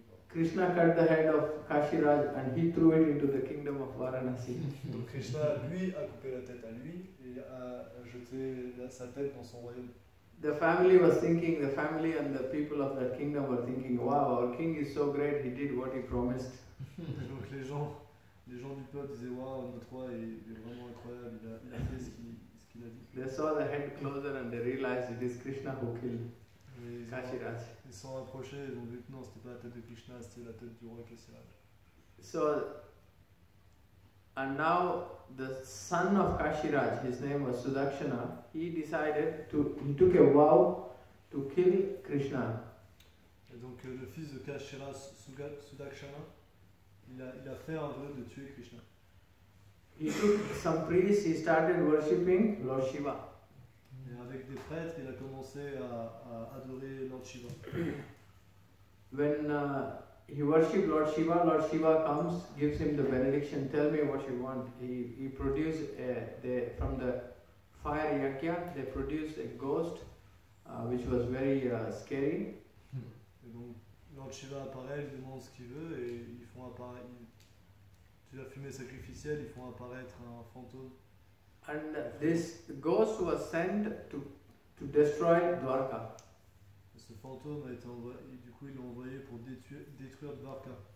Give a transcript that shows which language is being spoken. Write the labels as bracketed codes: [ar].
[en] Krishna cut the head of Kashiraj and he threw it into the kingdom of Varanasi. [fr] Donc Krishna, lui, a coupé la tête à lui et a jeté sa tête dans son royaume. [en] The family was thinking, the family and the people of that kingdom were thinking, wow, our king is so great, he did what he promised. [fr] Donc les gens du peuple disaient, wow, notre roi est vraiment incroyable, il a fait ce qu'il a dit. [en] They saw the head closer and they realized it is Krishna who killed Kashiraj. [fr] Ils sont approchés et ont dit non, c'était pas la tête de Krishna, c'était la tête du roi Kashiraj. [en] So, and now the son of Kashiraj, his name was Sudakshana, he took a vow to kill Krishna. [fr] Et donc le fils de Kashiraj, Sudakshana, il a fait un vœu de tuer Krishna. [en] He took some priests, he started worshipping Lord Shiva. [fr] Et avec des prêtres, il a commencé à adorer Lord Shiva. [en] When he worships Lord Shiva comes, gives him the benediction. Tell me what you want. He produces from the fire yakya, they produce a ghost, which was very scary. [fr] Et donc Lord Shiva apparaît, il demande ce qu'il veut et ils font apparaître. Tu as fumé sacrificiel, ils font apparaître un fantôme. [en] And this ghost was sent to destroy Dwarka. [fr] Ce fantôme a été envoyé, du coup ils l'ont envoyé pour détruire Dwarka.